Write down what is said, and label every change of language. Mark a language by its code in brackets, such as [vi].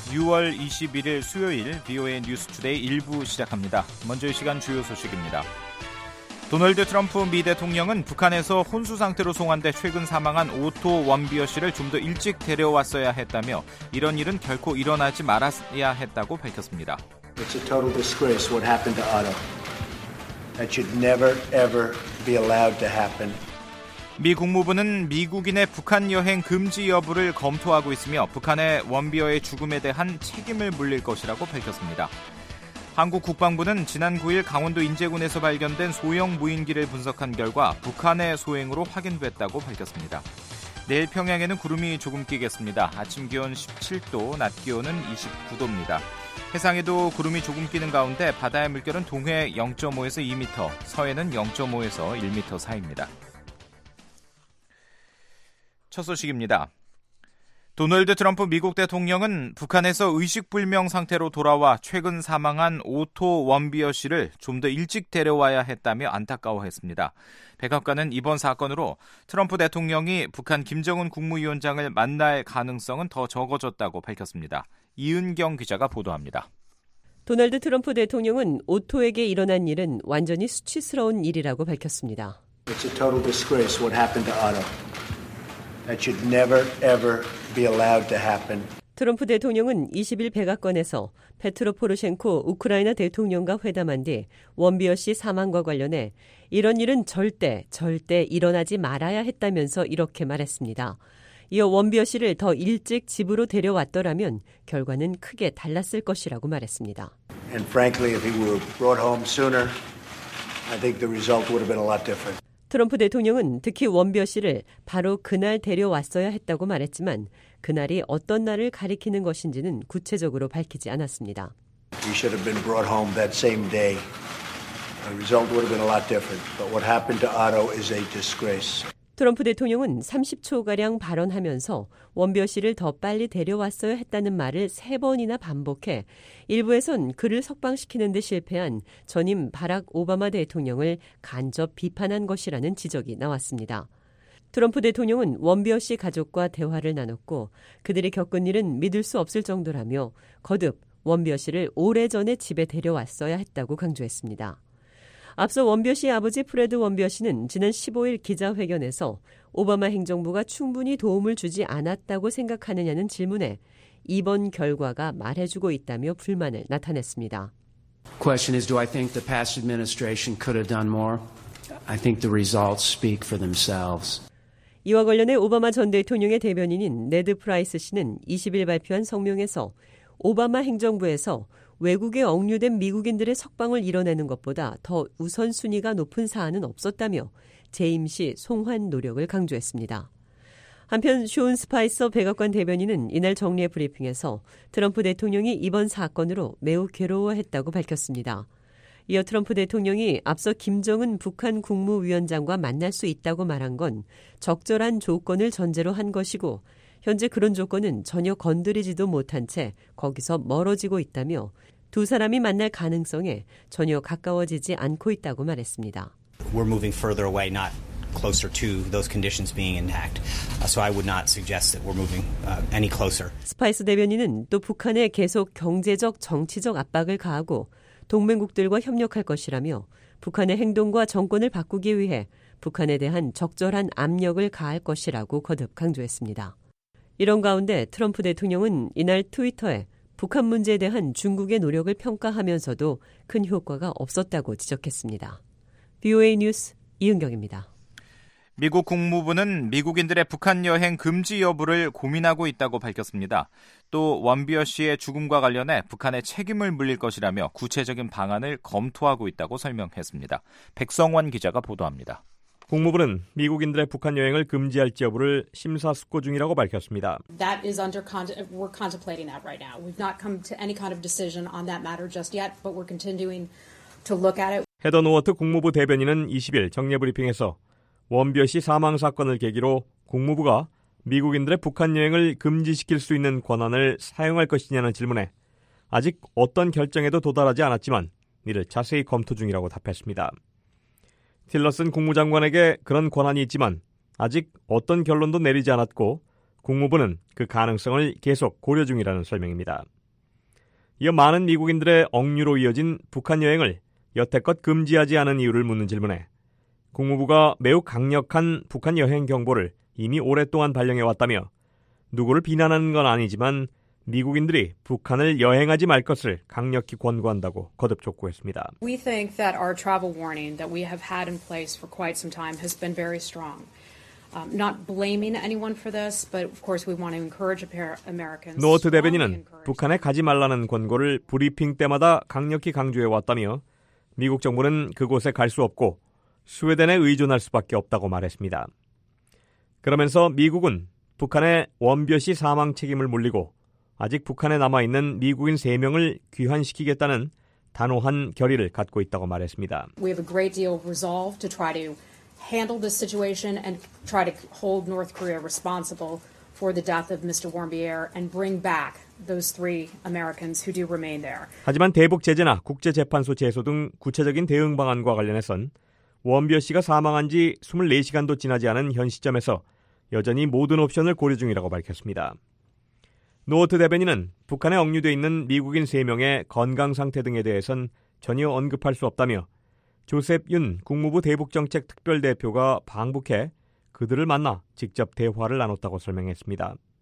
[ko] 6월 21일 수요일 비오에 뉴스 투데이 1부 시작합니다. 먼저 이 시간 주요 소식입니다. 도널드 트럼프 미 대통령은 북한에서 혼수 상태로 송환돼 최근 사망한 오토 원비어 씨를 좀 더 일찍 데려왔어야 했다며 이런 일은 결코 일어나지 말았어야 했다고 밝혔습니다. [en] It's a total disgrace what happened to Otto. That should never ever be allowed to happen. [ko] 미 국무부는 미국인의 북한 여행 금지 여부를 검토하고 있으며 북한의 원비어의 죽음에 대한 책임을 물릴 것이라고 밝혔습니다. 한국 국방부는 지난 9일 강원도 인제군에서 발견된 소형 무인기를 분석한 결과 북한의 소행으로 확인됐다고 밝혔습니다. 내일 평양에는 구름이 조금 끼겠습니다. 아침 기온 17도, 낮 기온은 29도입니다. 해상에도 구름이 조금 끼는 가운데 바다의 물결은 동해 0.5에서 2m, 서해는 0.5에서 1m 사이입니다. 첫 소식입니다. 도널드 트럼프 미국 대통령은 북한에서 의식불명 상태로 돌아와 최근 사망한 오토 원비어 씨를 좀 더 일찍 데려와야 했다며 안타까워했습니다. 백악관은 이번 사건으로 트럼프 대통령이 북한 김정은 국무위원장을 만날 가능성은 더 적어졌다고 밝혔습니다. 이은경 기자가 보도합니다. 도널드 트럼프 대통령은 오토에게 일어난 일은 완전히 수치스러운 일이라고 밝혔습니다. [en] It's a total disgrace what happened to Otto. That should never ever be allowed to happen. [ko] 트럼프 대통령은 20일 백악관에서 페트로 포로셴코 우크라이나 대통령과 회담한 뒤 원비어 씨 사망과 관련해 이런 일은 절대 절대 일어나지 말아야 했다면서 이렇게 말했습니다. 이어 원비어 씨를 더 일찍 집으로 데려왔더라면 결과는 크게 달랐을 것이라고 말했습니다. [en] And frankly, if he were brought home sooner, I think the result would have been a lot different. [ko] 트럼프 대통령은 특히 원비어 씨를 바로 그날 데려왔어야 했다고 말했지만 그날이 어떤 날을 가리키는 것인지는 구체적으로 밝히지 않았습니다. [en] He should have been brought home that same day. The result would have been a lot different. But what happened to Otto is a disgrace. [ko] 트럼프 대통령은 30초가량 발언하면서 원비어 씨를 더 빨리 데려왔어야 했다는 말을 세 번이나 반복해 일부에선 그를 석방시키는 데 실패한 전임 바락 오바마 대통령을 간접 비판한 것이라는 지적이 나왔습니다. 트럼프 대통령은 원비어 씨 가족과 대화를 나눴고 그들이 겪은 일은 믿을 수 없을 정도라며 거듭 원비어 씨를 오래전에 집에 데려왔어야 했다고 강조했습니다. 앞서 원비어 씨 아버지 프레드 원비어 씨는 지난 15일 기자회견에서 오바마 행정부가 충분히 도움을 주지 않았다고 생각하느냐는 질문에 이번 결과가 말해주고 있다며 불만을 나타냈습니다. [en] Question is, do I think the past administration could have done more? I think the results speak for themselves. [ko] 이와 관련해 오바마 전 대통령의 대변인인 네드 프라이스 씨는 20일 발표한 성명에서 오바마 행정부에서 외국에 억류된 미국인들의 석방을 이뤄내는 것보다 더 우선순위가 높은 사안은 없었다며 재임 시 송환 노력을 강조했습니다. 한편 숀 스파이서 백악관 대변인은 이날 정례 브리핑에서 트럼프 대통령이 이번 사건으로 매우 괴로워했다고 밝혔습니다. 이어 트럼프 대통령이 앞서 김정은 북한 국무위원장과 만날 수 있다고 말한 건 적절한 조건을 전제로 한 것이고 현재 그런 조건은 전혀 건드리지도 못한 채 거기서 멀어지고 있다며 두 사람이 만날 가능성에 전혀 가까워지지 않고 있다고 말했습니다. [en] We're moving further away, not closer to those conditions being intact. So I would not suggest that we're moving any closer. [ko] 스파이스 대변인은 또 북한에 계속 경제적, 정치적 압박을 가하고 동맹국들과 협력할 것이라며 북한의 행동과 정권을 바꾸기 위해 북한에 대한 적절한 압력을 가할 것이라고 거듭 강조했습니다. 이런 가운데 트럼프 대통령은 이날 트위터에 북한 문제에 대한 중국의 노력을 평가하면서도 큰 효과가 없었다고 지적했습니다. VOA 뉴스 이은경입니다. 미국 국무부는 미국인들의 북한 여행 금지 여부를 고민하고 있다고 밝혔습니다. 또 원비어 씨의 죽음과 관련해 북한에 책임을 물릴 것이라며 구체적인 방안을 검토하고 있다고 설명했습니다. 백성원 기자가 보도합니다. 국무부는 미국인들의 북한 여행을 금지할지 여부를 심사숙고 중이라고 밝혔습니다. [en] That is under we're contemplating that right now. We've not come to any kind of decision on that matter just yet, but we're continuing to look at it. [ko] 헤더 노워트 국무부 대변인은 20일 정례 브리핑에서 원비어 씨 사망 사건을 계기로 국무부가 미국인들의 북한 여행을 금지시킬 수 있는 권한을 사용할 것이냐는 질문에 아직 어떤 결정에도 도달하지 않았지만 이를 자세히 검토 중이라고 답했습니다. 틸러슨 국무장관에게 그런 권한이 있지만 아직 어떤 결론도 내리지 않았고 국무부는 그 가능성을 계속 고려 중이라는 설명입니다. 이어 많은 미국인들의 억류로 이어진 북한 여행을 여태껏 금지하지 않은 이유를 묻는 질문에 국무부가 매우 강력한 북한 여행 경보를 이미 오랫동안 발령해왔다며 누구를 비난하는 건 아니지만 미국인들이 북한을 여행하지 말 것을 강력히 권고한다고 거듭 촉구했습니다. [en] We think that our travel warning that we have had in place for quite some time has been very strong. Not blaming anyone for this, but of course we want to encourage Americans. [ko] 노어트 대변인은 북한에 가지 말라는 권고를 브리핑 때마다 강력히 강조해왔다며 미국 정부는 그곳에 갈 수 없고 스웨덴에 의존할 수밖에 없다고 말했습니다. 그러면서 미국은 북한에 원비어 씨 사망 책임을 물리고 아직 북한에 남아있는 미국인 3명을 귀환시키겠다는 단호한 결의를 갖고 있다고 말했습니다. [en] We have a great deal of resolve to try to handle this situation and try to hold North Korea responsible for the death of Mr. Warmbier and bring back those three Americans who do remain there. [ko] 하지만 대북 제재나 국제재판소 제소 등 구체적인 대응 방안과 관련해선 원비어 씨가 사망한 지 24시간도 지나지 않은 현 시점에서 여전히 모든 옵션을 고려 중이라고 밝혔습니다. 노어트 대변인은 북한에 억류돼 있는 미국인 3명의 건강 상태 등에 대해선 전혀 언급할 수 없다며 조셉 윤 국무부 대북정책특별대표가 방북해 그들을 만나 직접 대화를 나눴다고 설명했습니다.